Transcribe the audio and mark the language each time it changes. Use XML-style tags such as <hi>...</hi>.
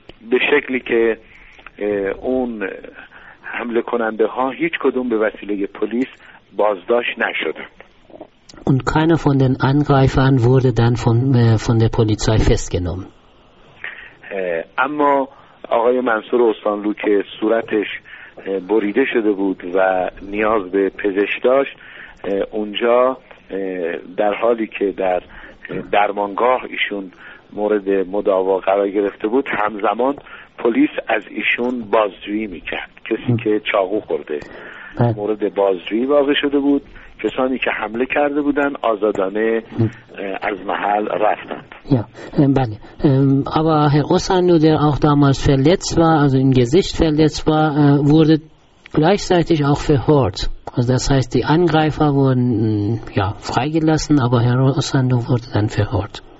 <fa>به شکلی که اون حمله کننده ها هیچ کدوم به وسیله پلیس بازداشت نشدند.</fa> <de>Und keiner von den Angreifern wurde dann von der Polizei festgenommen.</de> <fa>اما آقای منصور استانلو که صورتش بریده شده بود و نیاز به پزشک داشت، اونجا در حالی که در درمانگاه ایشون مورد مداوا قرار گرفته بود، همزمان پلیس از ایشون بازجویی میکرد. کسی که چاقو خورده مورد بازجویی واقع شده بود، کسانی که حمله کرده بودن آزادانه از محل رفتند. Ja, bale.</fa> <de>Aber Herr Osandu, der auch damals verletzt war, also im Gesicht verletzt war, wurde gleichzeitig auch verhört. Also das heißt, die Angreifer wurden ja freigelassen, aber Herr Osandu wurde dann verhört.</de>